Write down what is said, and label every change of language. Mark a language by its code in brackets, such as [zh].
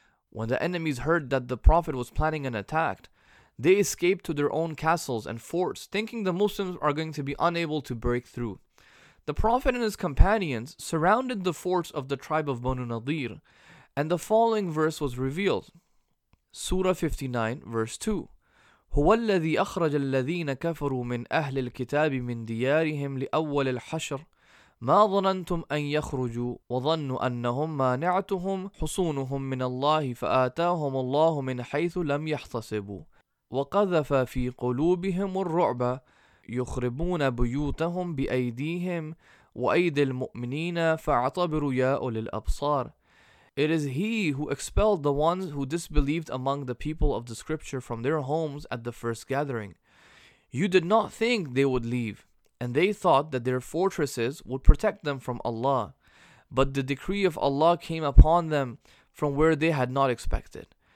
[en] When the enemies heard that the Prophet was planning an attack, they escaped to their own castles and forts, thinking the Muslims are going to be unable to break through. The Prophet and his companions surrounded the forts of the tribe of Banu Nadir, And the following verse was revealed. Surah 59, verse 2. [ar] هو الذي أخرج الذين كفروا من أهل الكتاب من ديارهم لأول الحشر ما ظننتم أن يخرجوا وظنوا أنهم مانعتهم حصونهم من الله فآتاهم الله من حيث لم يحتسبوا وقذف في قلوبهم الرعب يخربون بيوتهم بأيديهم وأيدي المؤمنين فاعتبروا يا أولي الأبصار. [en] It is he who expelled the ones who disbelieved among the people of the scripture from their homes at the first gathering. You did not think they would leave, and they thought that their fortresses would protect them from Allah. But the decree of Allah came upon them from where they had not expected.